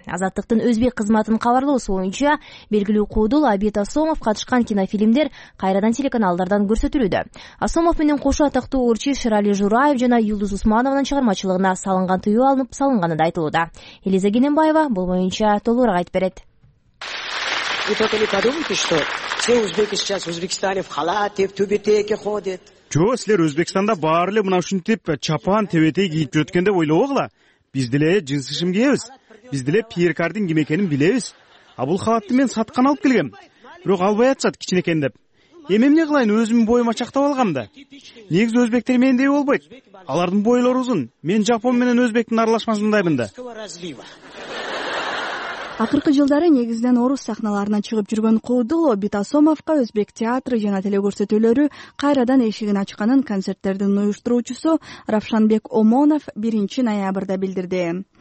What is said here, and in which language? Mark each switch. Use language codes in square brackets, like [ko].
[ky] Азаттыктын өзбек кызматынын кабарлоосу боюнча белгилүү Куудул Абит Асомов катышкан кинофилмдер кайрадан телеканалдардан көрсөтүлүүдө. Асомов менен кошо атактуу ырчы Шырали Жураев жана Юлдуз Усманованын чыгармачылыгына салынган тыюу алынып салынганы да айтылууда. Элиза Кененбаева бул боюнча толугураак айтып берет. [ru] Вы только не подумайте, что все узбеки сейчас в Узбекистане в халате, в тюбетеке ходят. Чего, [ky] силер, Узбекистанда бар ли мына ушинтип чапан, тюбетек и тюткенде ойлоогла? Биз деле джинсы шимгеевиз. Биз деле Пьер Кардин гимекенин билеевиз. А бул халатты мен саткан алып келгем. Бирок албай атышат кичинекен деп. Эмне кылайын, өзүмдүн боюма чактап алгам да. Негизи өзбектер мендей болбойт. Алардын бойлору узун. Мен Жапон менен өзбектин аралашмасындаймын да. Акыркы жылдары негизинен орус сахналарына чыгып жүргөн Куудул Абит Асомовго өзбек театры жана телекөрсөтүүлөрү кайрадан эшигин ачканын концерттердин уюштуруучусу Равшанбек Омонов 1-ноябрда билдирди.